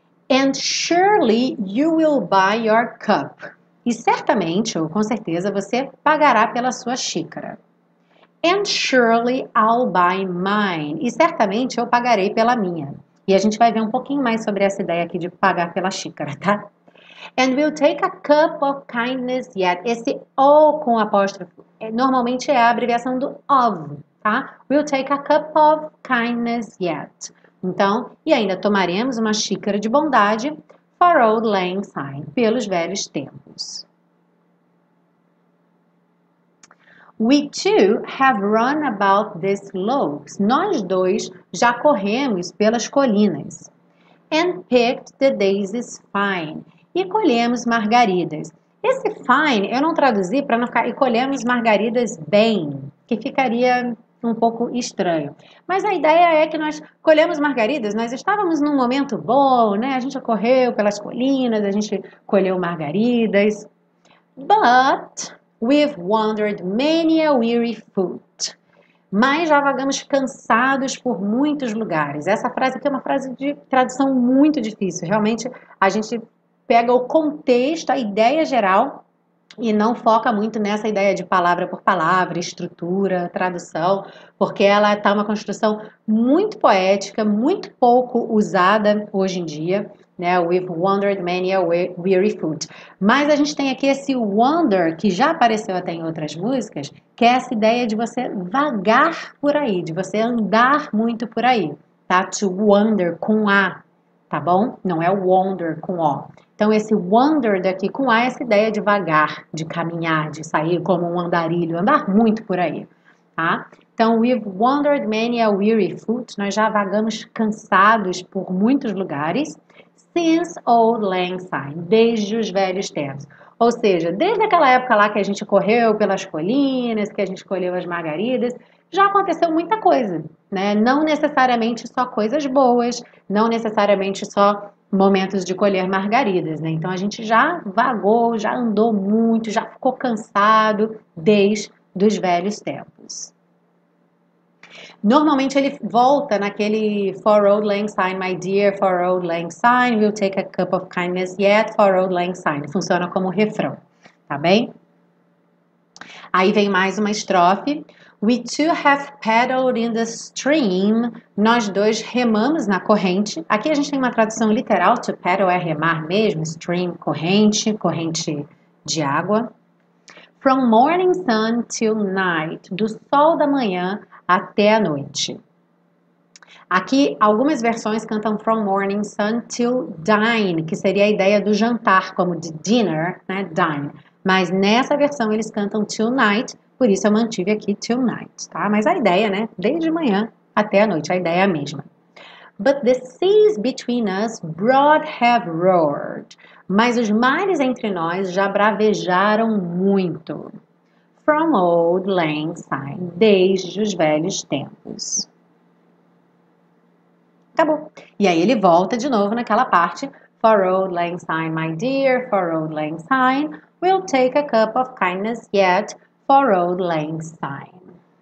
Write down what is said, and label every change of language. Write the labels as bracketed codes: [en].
[en] And surely you will buy your cup. [pt] E certamente, ou com certeza, você pagará pela sua xícara. [en] And surely I'll buy mine. [pt] E certamente eu pagarei pela minha. E a gente vai ver um pouquinho mais sobre essa ideia aqui de pagar pela xícara, tá? [en] And we'll take a cup of kindness yet. [pt] Esse o com apóstrofo normalmente é a abreviação do of, tá? [en] We'll take a cup of kindness yet. [pt] Então, e ainda tomaremos uma xícara de bondade [en] for old lang syne, [pt] pelos velhos tempos. [en] We two have run about these slopes. [pt] Nós dois já corremos pelas colinas. [en] And picked the daisies fine. [pt] E colhemos margaridas. Esse fine eu não traduzi para não ficar e colhemos margaridas bem, que ficaria um pouco estranho. Mas a ideia é que nós colhemos margaridas, nós estávamos num momento bom, né? A gente correu pelas colinas, a gente colheu margaridas. [en] But we've wandered many a weary foot. [pt] Mas já vagamos cansados por muitos lugares. Essa frase aqui é uma frase de tradução muito difícil. Realmente, a gente pega o contexto, a ideia geral, e não foca muito nessa ideia de palavra por palavra, estrutura, tradução, porque ela está uma construção muito poética, muito pouco usada hoje em dia. Né? [en] We've wandered many a weary foot. [pt] Mas a gente tem aqui esse wander, que já apareceu até em outras músicas, que é essa ideia de você vagar por aí, de você andar muito por aí. Tá? To wander com A, tá bom? Não é wander com O. Então, esse wander daqui com A é essa ideia de vagar, de caminhar, de sair como um andarilho, andar muito por aí. Tá? [en] Então, we've wandered many a weary foot. [pt] Nós já vagamos cansados por muitos lugares. [en] Since old lang syne, [pt] desde os velhos tempos. Ou seja, desde aquela época lá que a gente correu pelas colinas, que a gente colheu as margaridas, já aconteceu muita coisa, né? Não necessariamente só coisas boas, não necessariamente só momentos de colher margaridas, né? Então a gente já vagou, já andou muito, já ficou cansado desde os velhos tempos. Normalmente ele volta naquele [en] For old lang syne, my dear, for old lang syne, we'll take a cup of kindness yet, for old lang syne. [pt] Funciona como refrão, tá bem? Aí vem mais uma estrofe. [en] We two have paddled in the stream. [pt] Nós dois remamos na corrente. Aqui a gente tem uma tradução literal, to paddle é remar mesmo, stream, corrente, corrente de água. [en] From morning sun till night, [pt] do sol da manhã até a noite. Aqui, algumas versões cantam [en] from morning sun till dine, [pt] que seria a ideia do jantar, como de dinner, né? Dine. Mas nessa versão eles cantam till night, por isso eu mantive aqui till night, tá? Mas a ideia, né? Desde manhã até a noite, a ideia é a mesma. [en] But the seas between us broad have roared. [pt] Mas os mares entre nós já bravejaram muito. [en] From old lang syne, [pt] desde os velhos tempos. Acabou. E aí ele volta de novo naquela parte. [en] For old lang syne, [pt] my dear, for old lang syne, we'll take a cup of kindness yet, for old lang syne.